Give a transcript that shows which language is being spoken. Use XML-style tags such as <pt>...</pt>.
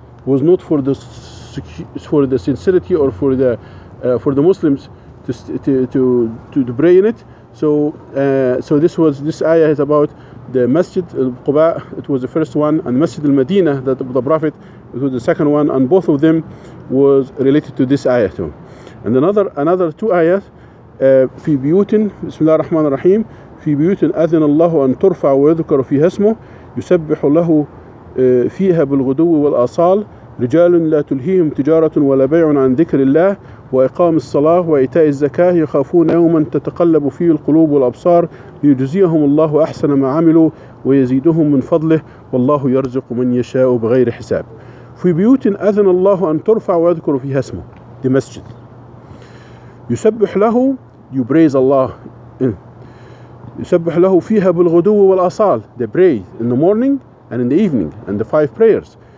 <en>It was not for the sincerity or for the Muslims to pray in it. So this ayah is about the Masjid al-Quba. It was the first one, and Masjid al-Madina, that the Prophet, it was the second one, and both of them was related to this ayah too. And another two ayahs,</en> <ar>في بيوت بسم الله الرحمن الرحيم في بيوت أذن الله أن ترفع ويذكر فيها اسمه يسبح له فيها بالغدو والأصال رجال لا تلهيهم تجارة ولا بيع عن ذكر الله وإقام الصلاة وإيتاء الزكاة يخافون يوما تتقلب فيه القلوب والأبصار ليجزيهم الله أحسن ما عملوا ويزيدهم من فضله والله يرزق من يشاء بغير حساب. في بيوت أذن الله أن ترفع ويذكر فيها اسمه, دي مسجد. يسبح له,</ar> <en>you praise Allah in.</en> <ar>يسبح له فيها بالغدو والأصال,</ar> <en>they pray in the morning and in the evening, and the five prayers.</en>